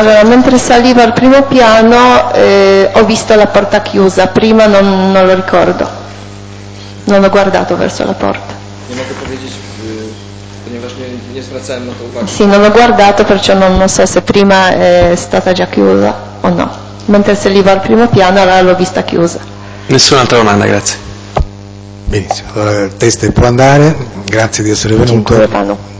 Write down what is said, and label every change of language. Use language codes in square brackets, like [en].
[it] Ale mentre saliva al primo piano, ho visto la porta chiusa, prima non lo ricordo. Non ho guardato verso la porta. [pl] Nie mogę powiedzieć, ponieważ nie zwracałem na to uwagi. [it] Sì, non ho guardato, perciò non so se prima è stata già chiusa o no. Mentre saliva al primo piano, allora l'ho vista chiusa. Nessun'altra domanda, grazie. Benissimo, allora il test può andare, grazie di essere venuto.